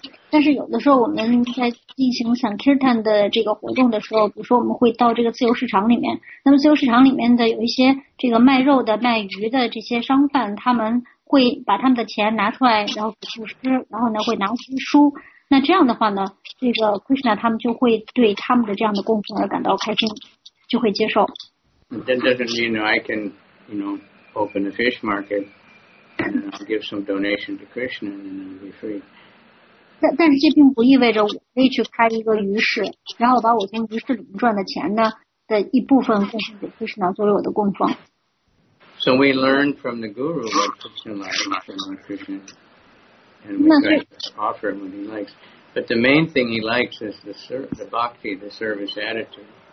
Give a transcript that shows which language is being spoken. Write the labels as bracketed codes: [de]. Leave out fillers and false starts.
[zh] 但是有的时候我们在进行 Sankirtan 的这个活动的时候，比如说我们会到这个自由市场里面，那么自由市场里面的有一些这个卖肉的卖鱼的这些商贩，他们会把他们的钱拿出来然后给布施，然后呢会拿出书。那这样的话呢，这个 Krishna 他们就会对他们的这样的供奉而感到开心，就会接受。 [en] That doesn't mean I can, you know, open a fish market and give some donation to Krishna and then be free. [zh] 但是这并不意味着我可以去开一个鱼市，然后把我从鱼市里面赚的钱呢的一部分奉献给 Krishna 作为我的供奉。 [en] So we learn from the guru what Krishna likes and what Krishna. And we offer him what he likes. But the main thing he likes is the bhakti, the service attitude.